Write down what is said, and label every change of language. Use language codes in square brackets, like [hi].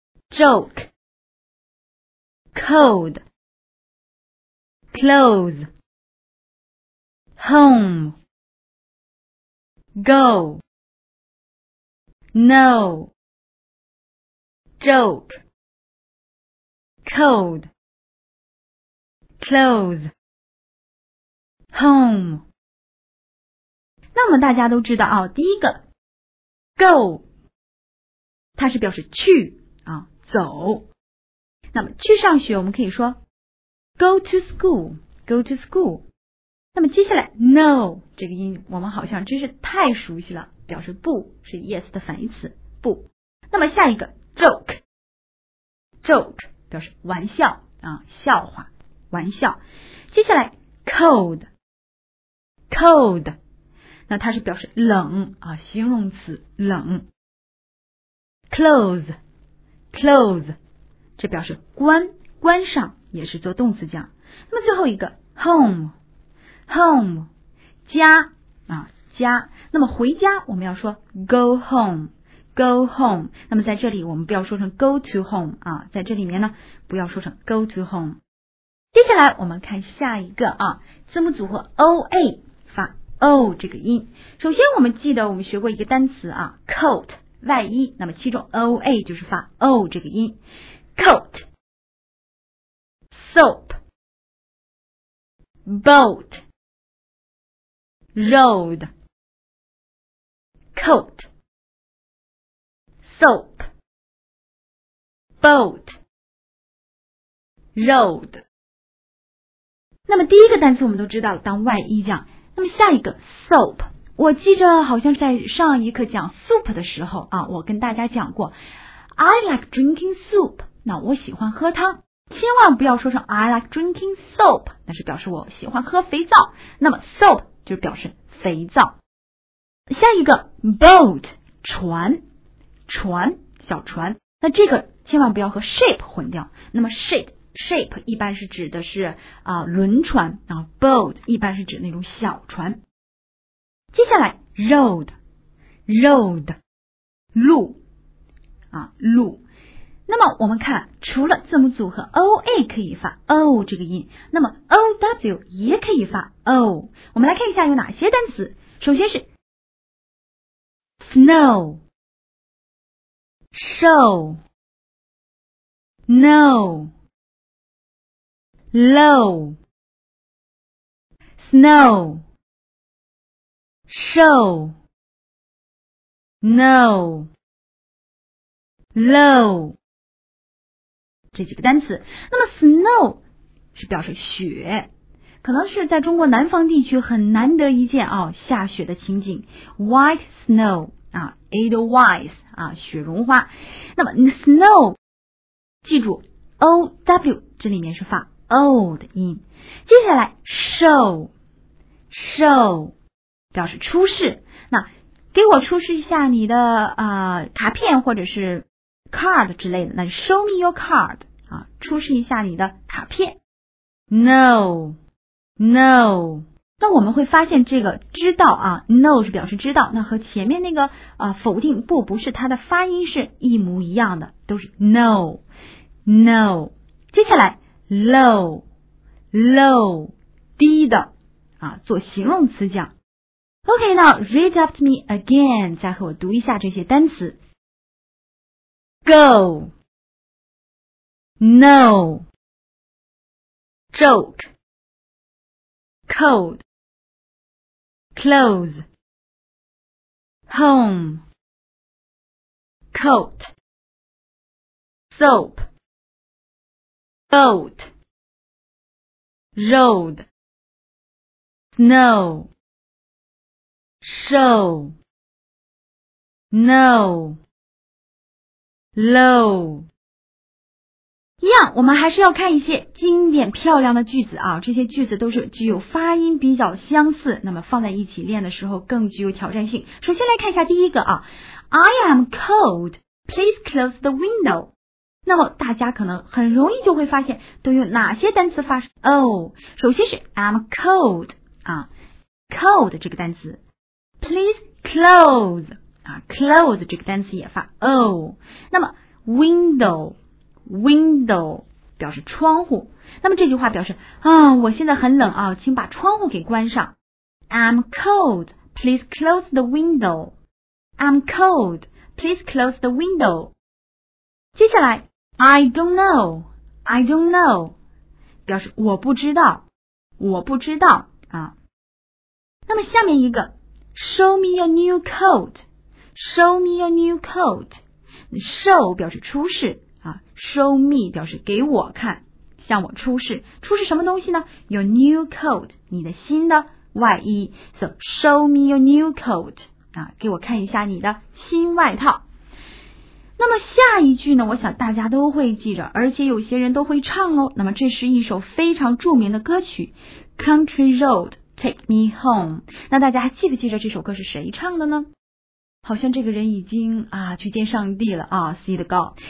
[en] Joke Cold Close Home Go No Joke Cold Close Home。 [zh] 那么大家都知道啊，第一个 Go 它是表示去啊，走。那么去上学我们可以说 Go to school Go to school。那么接下来 No 这个音我们好像真是太熟悉了，表示不，是 yes 的反义词，不。那么下一个 joke， joke 表示玩笑啊，笑话，玩笑。接下来 cold， cold， 那它是表示冷啊，形容词冷。 close， close， 这表示关，关上，也是做动词讲。那么最后一个 home， home， 家啊，家。那么回家我们要说 go home， go home。那么在这里我们不要说成 go to home 啊，在这里面呢不要说成 go to home。接下来我们看下一个啊，字母组合 OA 发 O 这个音。首先我们记得我们学过一个单词啊， coat 外衣，那么其中 OA 就是发 O 这个音。 [en] coat soap boat road coat soap boat road。 [zh] 那么第一个单词我们都知道了，当外衣讲。那么下一个 soap， 我记着好像在上一课讲 soup 的时候啊，我跟大家讲过 I like drinking soup，那我喜欢喝汤，千万不要说成 I like drinking soap，那是表示我喜欢喝肥皂，那么 soap 就表示肥皂。下一个 boat 船，船，小船，那这个千万不要和 ship 混掉。那么 ship 一般是指的是轮船，然后 boat 一般是指那种小船。接下来 road 路啊，路。那么我们看，除了字母组合 OA 可以发 O 这个音，那么 OW 也可以发 O。我们来看一下有哪些单词。 [en] 首先是 Snow Show No Low Snow Show No Low，这几个单词。 [zh] 那么 Snow 是表示雪，可能是在中国南方地区很难得一见啊，下雪的情景 White snow 啊， Edelweiss 啊，雪绒花。那么 snow 记住 OW 这里面是发 O 的音。接下来 show show 表示出示，那给我出示一下你的卡片或者是 card 之类的，那 show me your card 啊，出示一下你的卡片。 [en] no no。 [zh] 那我们会发现这个知道啊， no 是表示知道，那和前面那个否定不，不是，它的发音是一模一样的，都是 no no。接下来 low low 低的啊，做形容词讲。 OK， now read after me again，再和我读一下这些单词。 [en] go, no, joke, cold, close, home, coat, soap, boat, road, snow, show, no, low。 [zh] 一样，我们还是要看一些经典漂亮的句子啊，这些句子都是具有发音比较相似，那么放在一起练的时候更具有挑战性。 [en] 首先来看一下第一个啊， I am cold, please close the window。 [zh] 那么大家可能很容易就会发现都有哪些单词发生哦，首先是 I'm cold 啊， cold 这个单词， please close 啊， close 这个单词也发哦。那么 window， window 表示窗户，那么这句话表示嗯，我现在很冷啊，请把窗户给关上。 [en] I'm cold, please close the window, I'm cold, please close the window。 [zh] 接下来 I don't know, I don't know, 表示我不知道，我不知道啊。 [en] 那么下面一个 show me your new coat, show me your new coat, show 表示出示啊， show me 表示给我看，向我出示，出示什么东西呢？ [zh] your new coat, 你的新的外衣。 so show me your new coat, 啊，给我看一下你的新外套。那么下一句呢，我想大家都会记着，而且有些人都会唱哦。那么这是一首非常著名的歌曲 Country Road Take Me Home。那大家还记不记得这首歌是谁唱的呢？好像这个人已经啊去见上帝了啊， See the God。